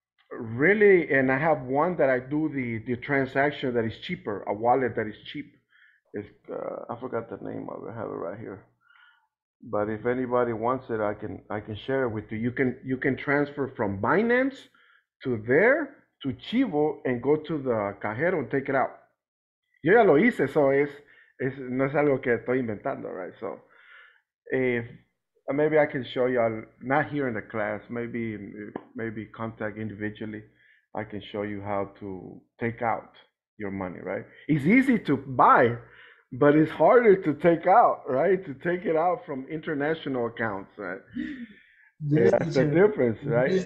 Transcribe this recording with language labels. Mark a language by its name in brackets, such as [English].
[English] Really, and I have one that I do the transaction that is cheaper, a wallet that is cheap. It's I forgot the name of it. I have it right here. But if anybody wants it, I can share it with you. You can transfer from Binance to there to Chivo and go to the cajero and take it out. [Spanish] Yo ya lo hice, so es no es algo que estoy inventando, right? So if [English] Maybe I can show y'all, not here in the class, maybe contact individually. I can show you how to take out your money, right? It's easy to buy, but it's harder to take out, right? To take it out from international accounts, right? Yes, that's the difference, right?